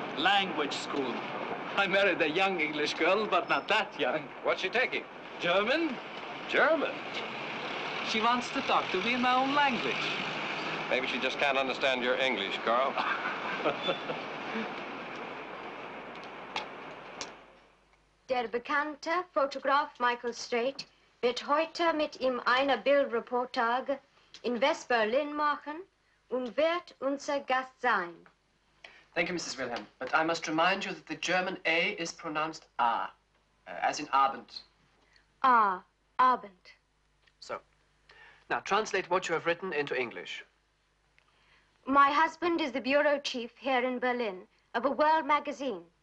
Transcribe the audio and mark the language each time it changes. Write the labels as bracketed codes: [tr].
[en] Language school. I married a young English girl, but not that young. What's she taking? German. German? She wants to talk to me in my own language. Maybe she just can't understand your English, Carl. [de] Der bekannte Fotograf Michael Strait wird heute mit ihm eine Bildreportage in West-Berlin machen und wird unser Gast sein. [en] Thank you, Mrs. Wilhelm. But I must remind you that the German A is pronounced A, as in Abend. [de] A, Abend. [en] So, now translate what you have written into English. My husband is the bureau chief here in Berlin of a world magazine.